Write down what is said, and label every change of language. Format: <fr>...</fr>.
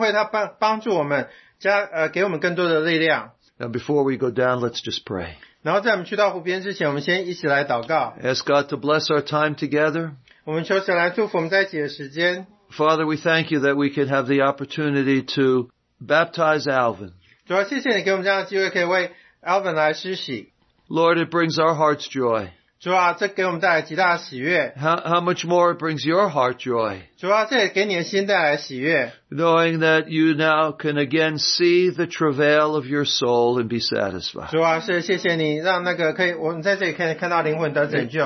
<zh>所以我们会相信在接下来这些日子，神会他帮助我们，给我们更多的力量。</zh> <en>Now before we go down, let's just pray.</en> <zh>然后在我们去到湖边之前，我们先一起来祷告。Ask</zh> <en>God to bless our time together. Father, we thank you that we can have the opportunity to baptize Alvin.</en> <zh>主啊，谢谢你给我们这样的机会，可以为Alvin来施洗。</zh> <en>Lord, it brings our hearts joy.</en> <zh>主啊，这给我们带来极大的喜悦。</zh> <en>How much more it brings your heart joy.</en> <zh>主啊，这也给你的心带来喜悦。</zh> <en>Knowing that you now can again see the travail of your soul and be satisfied.</en> <zh>主啊，是谢谢你让那个可以，我们在这里可以看到灵魂得拯救。</zh>